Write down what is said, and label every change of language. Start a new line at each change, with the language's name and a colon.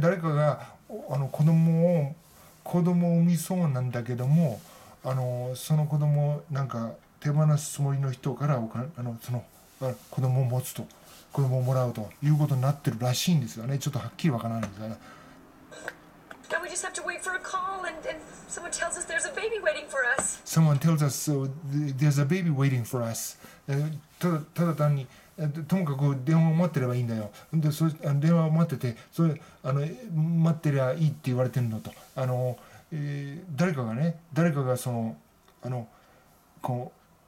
Japanese: 誰かが、あの、子供を産みそうなんだけども、あの、その子供をなんか手放すつもりの人から、あの、その、子供を持つと。子供をもらうということになってるらしいんですよね。ちょっとはっきりわからないんですが。
English: Then we just have to wait for a call and someone tells us there's a baby waiting for us. Someone tells us、there's a baby waiting for us.
Japanese: ただ単に、ともかく電話を待ってればいいんだよ。で、そあの電話を待ってて、それあの待ってりゃいいって言われてるのと、あの、誰かがね、誰かがそのあのこう。